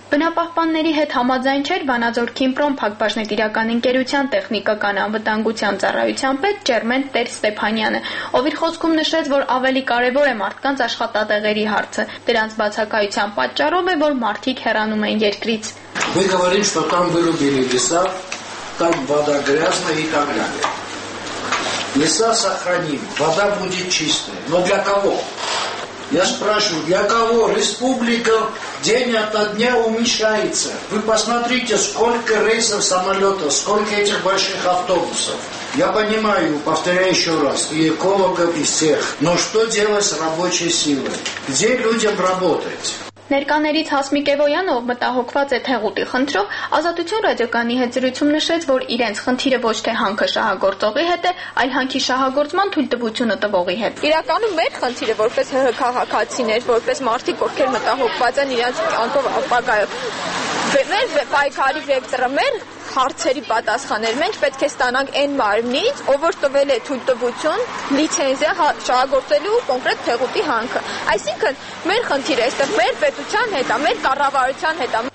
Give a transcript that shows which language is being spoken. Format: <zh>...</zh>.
<hy>Բնապահպանների հետ համաձայն չէր Վանաձոր Քիմպրոն Փակբաժնետիրական ընկերության տեխնիկական անվտանգության ծառայության պետ Ջերմեն Տեր Ստեփանյանը, ով իր խոսքում նշեց, որ ավելի կարևոր է մարդկանց աշխատատեղերի հարցը, դրանց բացակայության պատճառով է, որ մարդիկ հեռանում են երկրից։ Մի գավառին շտական վերոբերի դեսա</hy> <ru>там вода грязная и так далее. Леса сохраним, вода будет чистая. Но для кого? Я спрашиваю, для кого? Республика день ото дня уменьшается. Вы посмотрите, сколько рейсов самолетов, сколько этих больших автобусов. Я понимаю, повторяю еще раз, и экологов, и всех. Но что делать с рабочей силой? Где людям работать?</ru> <hy>Ներկաներից Հասմիկ Էվոյանը, ով մտահոգված է թեղուտի խնդրով, Ազատություն ռադիոկանի հետ զրույցում նշեց, որ իրենց խնդիրը ոչ թե հանքի շահագործողի հետ է, այլ հանքի շահագործման թույլտվությունը տվողի հետ։ Իրականում մեր խնդիրը որպես ՀՀ քաղաքացիներ, որպես մարդիկ, ովքեր մտահոգված են իրենց անկով ապագայով, մեր պայքարի վեկտորը, մեր հարցերի պատասխաններ, մենք պետք է ստանանք այն մարմնից, ով որ տվել է թույլտվություն, լիցենզիա շահագործելու կոնկրետ թեղուտի հանքը։ Այսինքն, մեր խնդիրը այստեղ մեր պետության հետ է, մեր կառավարության հետ է։</hy>